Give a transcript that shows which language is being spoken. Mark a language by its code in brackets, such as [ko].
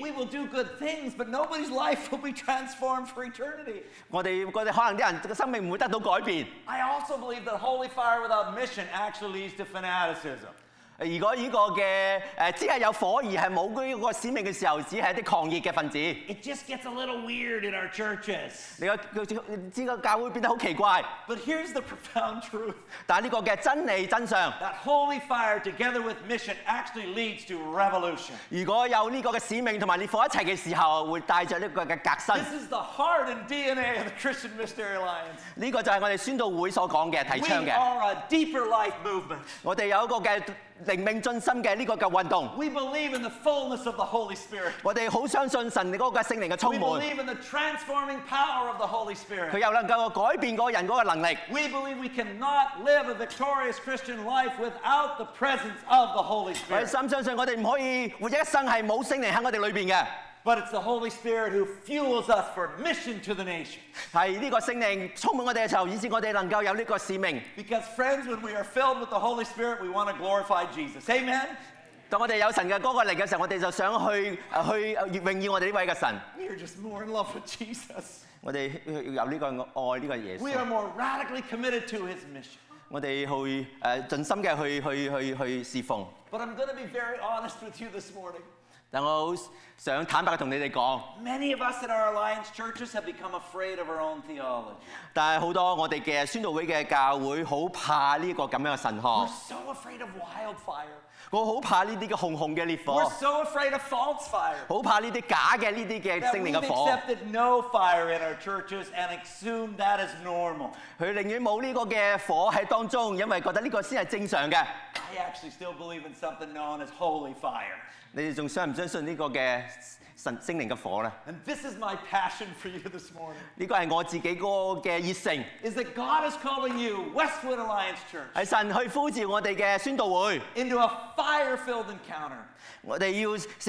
[en] We will do good things, but nobody's life will be transformed for eternity. [zh] 我們可能人的生命不會得到改變。 [en] I also believe that holy fire without mission actually leads to fanaticism. [zh] 如果只是有火而沒有使命的時候,只是一些抗熱的分子。 [en] It just gets a little weird in our churches. [zh] 你知道教會變得很奇怪。 [en] But here's the profound truth. [zh] 但這個真理真相。 [en] That holy fire together with mission actually leads to revolution. [zh] 如果有這個使命和烈火一起的時候,會帶著這個革新。 [en] This is the heart and DNA of the Christian Mystery Alliance. [zh] 這個就是我們宣道會所說的,提倡的。 [en] We are a deeper life movement. [zh] 我們有一個 [en] We believe in the fullness of the Holy Spirit. We believe in the transforming power of the Holy Spirit. We believe we cannot live a victorious Christian life without the presence of the Holy Spirit. But it's the Holy Spirit who fuels us for mission to the nation. Because friends, when we are filled with the Holy Spirit, we want to glorify Jesus. Amen? We are just more in love with Jesus. We are more radically committed to his mission. [zh] 我們盡心地去侍奉。 [en] But I'm going to be very honest with you this morning. [zh] 但我很想坦白地跟你們說, [en] Many of us in our Alliance churches have become afraid of our own theology. [zh] 但很多我們宣道會的教會很怕這個神學。 [en] We're so afraid of wildfire. We're so afraid of false fire. [zh] 很怕這些假的這些聖靈的火。 [en] That we've accepted no fire in our churches and assume that is normal. [zh] 他寧願沒有這個火在當中, 因為覺得這個才是正常的。 [en] I actually still believe in something known as holy fire. [zh] 你們還相不相信這個聖靈的火呢? [en] And this is my passion for you this morning. Is that God is calling you, Westwood Alliance Church, into a fire-filled encounter.